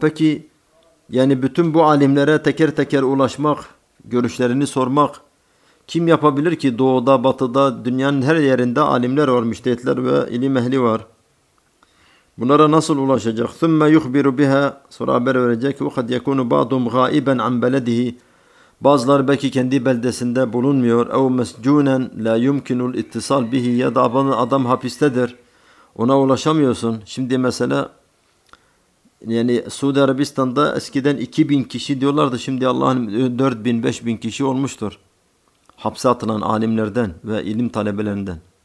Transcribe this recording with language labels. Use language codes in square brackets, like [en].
[tr] Peki yani bütün bu alimlere teker teker ulaşmak, görüşlerini sormak kim yapabilir ki? Doğuda, batıda, dünyanın her yerinde alimler var, müştehitler ve ilim ehli var. Bunlara nasıl ulaşacak? [ar] ثُمَّ يُخْبِرُ بِهَا, [tr] sonra haber verecek. [ar] وَقَدْ يَكُونُ بَعْضُمْ غَائِبًا عَنْ بَلَدِهِ, [tr] bazıları belki kendi beldesinde bulunmuyor. [ar] اَوْ مَسْجُونًا لَا يُمْكِنُ الْاِتِّصَالِ بِهِ, [tr] ya da adam hapistedir, ona ulaşamıyorsun. Şimdi mesela yani Suudi Arabistan'da eskiden 2000 kişi diyorlardı. Şimdi Allah'ın 4000, 5000 kişi olmuştur. Hapse atılan alimlerden ve ilim talebelerinden.